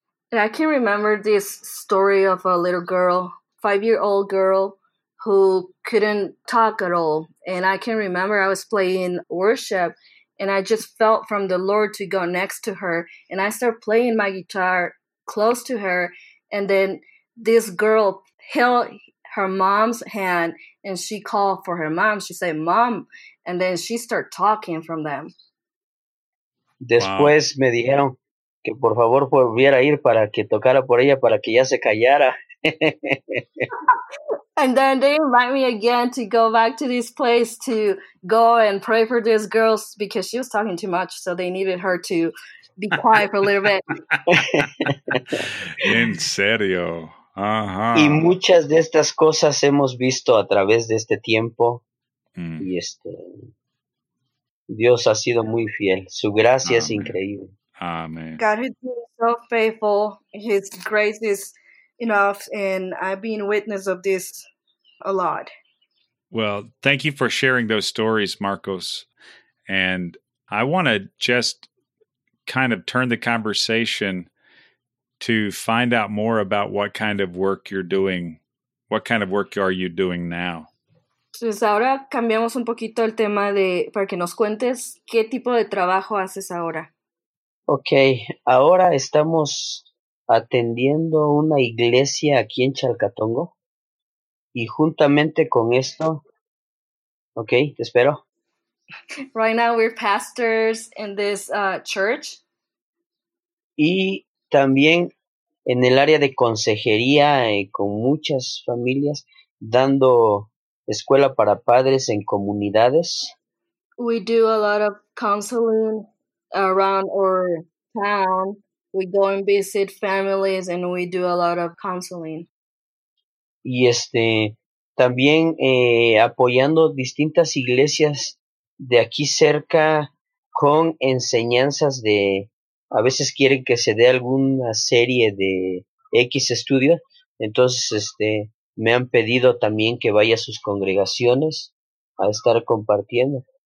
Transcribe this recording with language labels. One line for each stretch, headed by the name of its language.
English: And I can remember this story of a little girl, 5-year-old girl, who couldn't talk at all. And I can remember I was playing worship, and I just felt from the Lord to go next to her. And I started playing my guitar close to her. And then this girl held her mom's hand, and she called for her mom. She said, mom. And then she started talking from them.
Spanish: Después wow. Me dijeron que por favor volviera a ir para que tocara por ella, para que ya se callara.
English: And then they invite me again to go back to this place to go and pray for these girls because she was talking too much, so they needed her to be quiet for a little bit.
Spanish: En serio. Uh-huh. Y muchas de estas cosas hemos visto a través de este tiempo. Y Dios ha sido muy fiel. Su gracia Amen. Es increíble.
English: Amen. God has been so faithful. His grace is enough, and I've been witness of this a lot. Well, thank you for sharing those stories, Marcos. And I want to just kind of turn the conversation to find out more about what kind of work you're doing. What kind of work are you doing now?
Spanish: Entonces ahora cambiamos un poquito el tema de para que nos cuentes qué tipo de trabajo haces ahora. Okay, ahora estamos atendiendo una iglesia aquí en Chalcatongo y juntamente con esto, okay, te espero.
English: Right now we're pastors in this church.
Spanish: Y también en el área de consejería con muchas familias dando escuela para padres en comunidades.
English: We do a lot of counseling around our town. We go and visit families and we do a lot of counseling.
Spanish: Y también apoyando distintas iglesias de aquí cerca con enseñanzas de, a veces quieren que se dé alguna serie de X estudio. Entonces me han pedido también que vaya a sus congregaciones a estar compartiendo.